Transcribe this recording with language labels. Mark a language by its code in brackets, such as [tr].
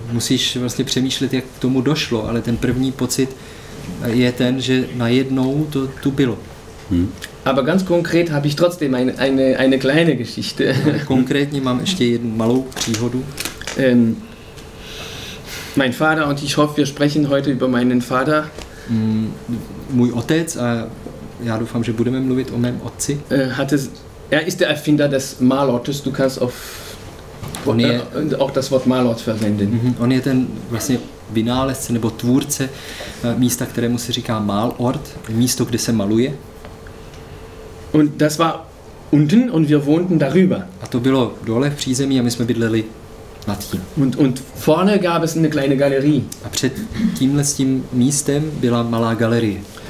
[cs] Musíš vlastně přemýšlet, jak k tomu došlo, ale ten první pocit je ten, že najednou to tu bylo. [de] Aber ganz konkret habe ich trotzdem eine kleine Geschichte. [cs] Konkrétně mám ještě jednu malou příhodu. [de] Mein Vater und ich hoffe, wir sprechen heute über meinen Vater. [cs] Můj otec a já doufám, že budeme mluvit o mém otci. [de] Er ist der Erfinder des Malortes. Du kannst auf auch das Wort Malort verwenden. [cs] On je ten vlastně vynálezce nebo tvůrce místa, kterému se říká Malort, místo, kde se maluje. [de] Und das war unten und wir wohnten darüber. [cs] A to bylo dole v přízemí a my jsme bydleli nad tím. [de] Und vorne gab es eine kleine Galerie. [cs] A před tímhle s tím místem byla malá galerie.